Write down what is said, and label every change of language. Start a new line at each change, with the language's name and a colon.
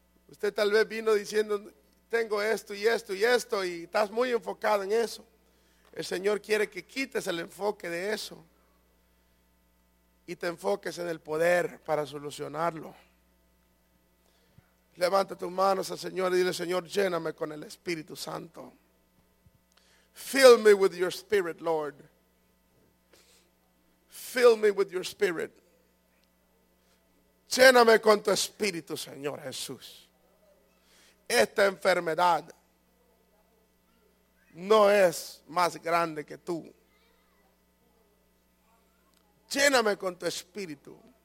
Spanish: Usted tal vez vino diciendo, tengo esto y esto y esto, y estás muy enfocado en eso. El Señor quiere que quites el enfoque de eso y te enfoques en el poder para solucionarlo. Levanta tus manos al Señor y dile, Señor, lléname con el Espíritu Santo.
English: Fill me with your Spirit, Lord. Fill me with your Spirit.
Spanish: Lléname con tu Espíritu, Señor Jesús. Esta enfermedad no es más grande que tú. Lléname con tu Espíritu.